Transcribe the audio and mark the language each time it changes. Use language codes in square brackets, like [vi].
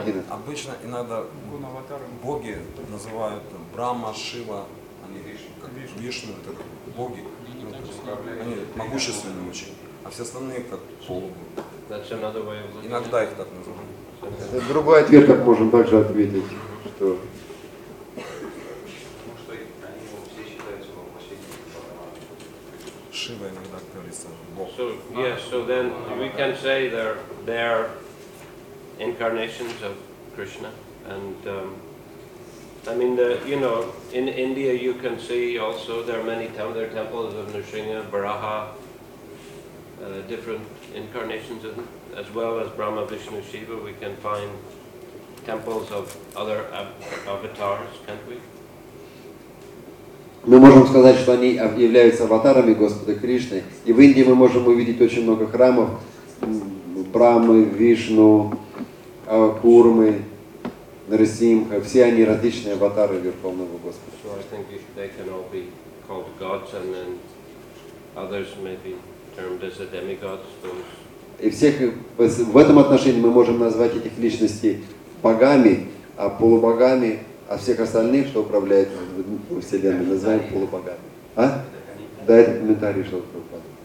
[ru] Обычно иногда боги называют Брахма, Шива, они Вишну, это боги, они могущественные очень, а все остальные как полубоги. Иногда их так называют. Другой ответ, как можем также ответить, что... Потому что они все считаются во последнем. Шива иногда говорится, Бог. [en] So, yes, so then we can say they're incarnations of Krishna. And I mean, the, you know, in India you can see also there are many temples of Nrsimha, Varaha, different incarnations of, as well as Brahma, Vishnu, Shiva. We can find temples of other avatars, can't we? [ru] Мы можем сказать, что они являются аватарами Господа Кришны. И в Индии мы можем увидеть очень много храмов Брамы, Вишну, Курмы. Нарисимха, все они различные аватары Верховного Господа. [en] So I think they can all be called gods, and then others may be termed as the demigods. [ru] И всех в этом отношении мы можем назвать этих личностей богами, а полубогами, а всех остальных, что управляет Вселенной, называем полубогами. А? Да, это комментарий Шрилы Прабхупады.